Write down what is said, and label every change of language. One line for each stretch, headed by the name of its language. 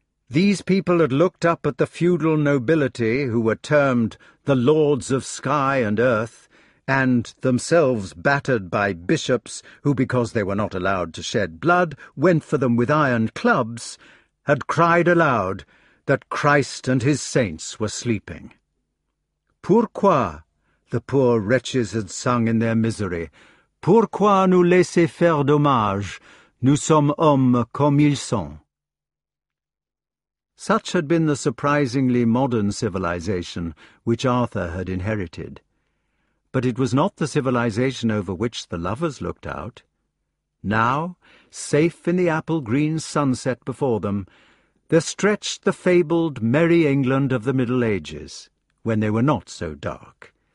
English: These people had looked up at the feudal nobility, who were termed the lords of sky and earth, and, themselves battered by bishops who, because they were not allowed to shed blood, went for them with iron clubs, had cried aloud that Christ and his saints were sleeping.
French: Pourquoi,
English: the poor wretches had sung in their misery,
French: pourquoi nous laisser faire dommage, nous sommes hommes comme ils sont.
English: Such had been the surprisingly modern civilization which Arthur had inherited. But it was not the civilization over which the lovers looked out. Now, safe in the apple-green sunset before them, there stretched the fabled Merry England of the Middle Ages, when they were not so dark.